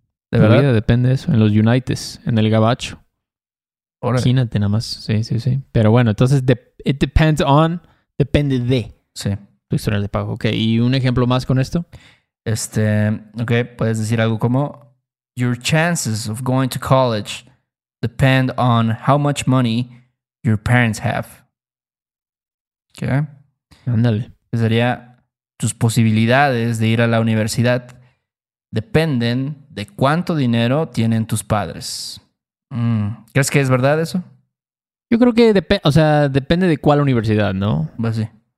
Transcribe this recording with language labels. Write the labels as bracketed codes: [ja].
[es] ¿De verdad? Tu vida depende de eso. En los Uniteds, en el gabacho. Órale. Imagínate nada más. Sí. Pero bueno, entonces, [en] it depends on, [es] depende de. Sí. Tu historial de pago. Ok, ¿y un ejemplo más con esto? Ok, puedes decir algo como... [en] Your chances of going to college depend on how much money your parents have. [es] ¿Qué? Ándale. Sería, tus posibilidades de ir a la universidad dependen de cuánto dinero tienen tus padres. Mm. ¿Crees que es verdad eso? Yo creo que depende de cuál universidad, ¿no? Pues sí.